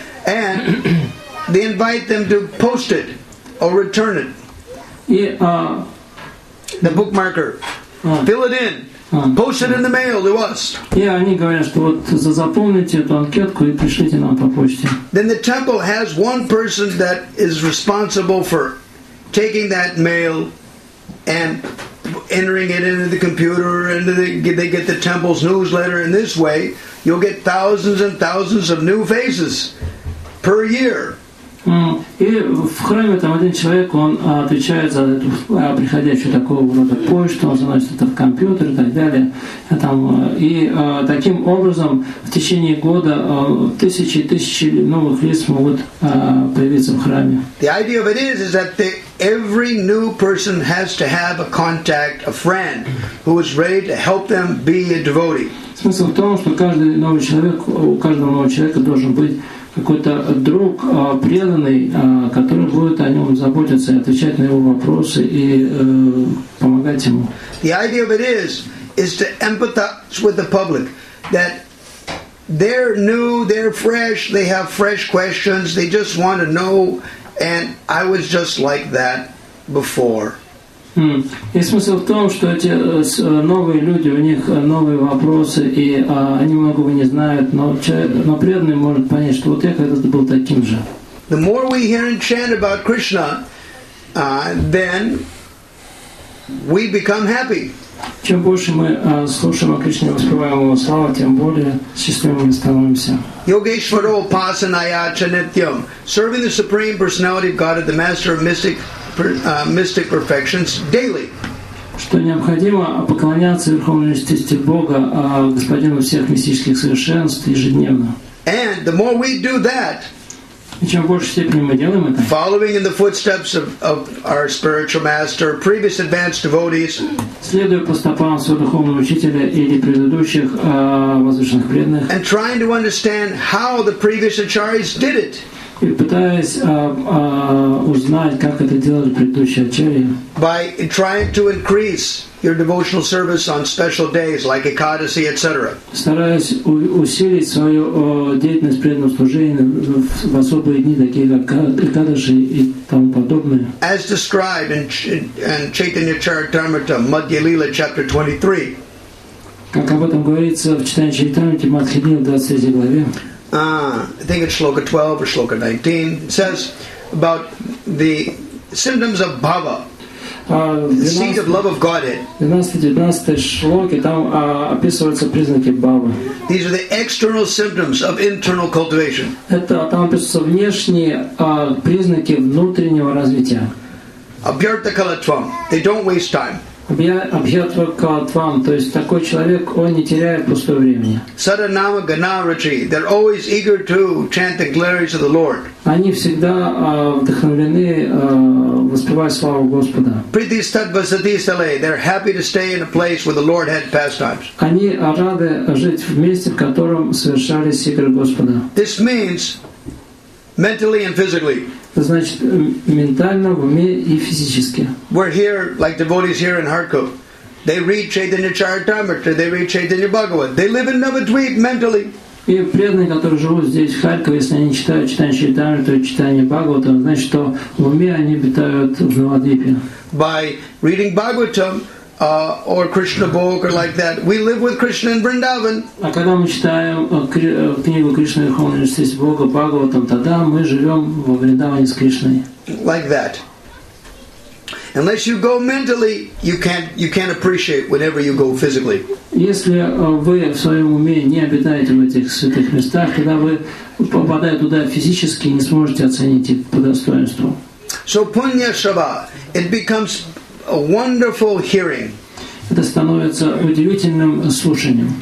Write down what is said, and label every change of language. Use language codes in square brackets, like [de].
[en] And they invite them to post it or return it. [ru] И [en] the bookmarker. Fill it in. Post it in the mail to us. [ru] Yeah, они говорят, что вот запомните эту анкетку и пришлите нам по почте. [en] Then the temple has one person that is responsible for taking that mail and entering it into the computer, and they get the temple's newsletter. In this way, you'll get thousands and thousands of new faces per year. [ru] И в храме там один человек, он отвечает за эту приходящую такого рода почту, он заносит это в компьютер и так далее. Там, и таким образом в течение года тысячи и тысячи новых лиц могут появиться в храме. [en] The idea of it is that every new person has to have a contact, a friend, who is ready to help them be a devotee. [ru] Смысл в том, что каждый новый человек, у каждого нового человека должен быть какой-то друг преданный, который будет о нем заботиться и отвечать на его вопросы и помогать ему. [en] The idea of it is to empathize with the public, that they're new, they're fresh, they have fresh questions, they just want to know, and I was just like that before. [ru] И смысл в том, что эти новые люди, у них новые вопросы, и они многого не знают, но преданный может понять, что вот я когда-то был таким же. [en] The more we hear and chant about Krishna, then we become happy. [ru] Чем больше мы слушаем о Кришне, воспеваем его славу, тем более счастливыми становимся. [sa] Yogeshwaro Upasanaya Chanityam. [en] Serving the Supreme Personality of God at the Master of Mystic Perfections daily. [ru] Что необходимо поклоняться Верховной Личности Бога, Господину всех мистических совершенств ежедневно. [en] And the more we do that, [ru] и чем в большей степени мы делаем это, [en] following in the footsteps of our spiritual master, previous advanced devotees, [ru] следуя по стопам своего духовного учителя или предыдущих возвышенных преданных, [en] and trying to understand how the previous acharyas did it, [ru] и пытаясь узнать, как это делали предыдущие ачарьи, [en] by trying to increase your devotional service on special days like Ekadasi, etc. [ru] Стараясь усилить свою деятельность преданного служения в особые дни, такие как Экадаши и тому подобное. [en] As described in Chaitanya Charitamrita, Madhya Lila, chapter 23. [ru] Как об этом говорится в Читании Чайтамрите, Мадхи Лила, 23 главе. [en] I think it's Shloka 12 or Shloka 19. It says about the symptoms of bhava, the seed of love of Godhead. [ru] 12-19 шлоки, там описываются признаки бхавы. [en] These are the external symptoms of internal cultivation. [ru] Это там описываются внешние признаки внутреннего развития. [sa] Abhyartha kalatvam. [en] They don't waste time. [sa] Abhyartha kalatvam. [ru] То есть такой человек, он не теряет пустое время. [sa] Sadanama ganarachi. [en] They're always eager to chant the glories of the Lord. [ru] Они всегда вдохновлены воспевать славу Господа. [sa] Pritisthadvasatisthale. [en] They're happy to stay in a place where the Lord had pastimes. [ru] Они рады жить в месте, в котором совершались игры Господа. [en] This means mentally and physically. [ru] Значит, ментально, в уме и физически. [en] We're here, like devotees here in Kharkov. They read Chaitanya Charitamrita, they read Chaitanya Bhagavat. They live in Navadvip mentally. [ru] И преданные, которые живут здесь, в Харькове, если они читают Чайтанья Чайтамриту и Чайтанья Бхагавата, значит, что в уме они обитают в Навадвипе. [en] By reading Bhagavatam, or Krishna book or like that, we live with Krishna in Vrindavan. [ru] А когда мы читаем книгу Кришны Верховной Личности Бога Бхагаватам, тогда мы живем во Вриндаване с Кришной. [en] Like that. Unless you go mentally, you can't appreciate whenever you go physically. [ru] Если вы в своем уме не обитаете в этих святых местах, когда вы попадаете туда физически, не сможете оценить их по достоинству. [en] So punya shava, it becomes a wonderful hearing. Это становится удивительным слушанием.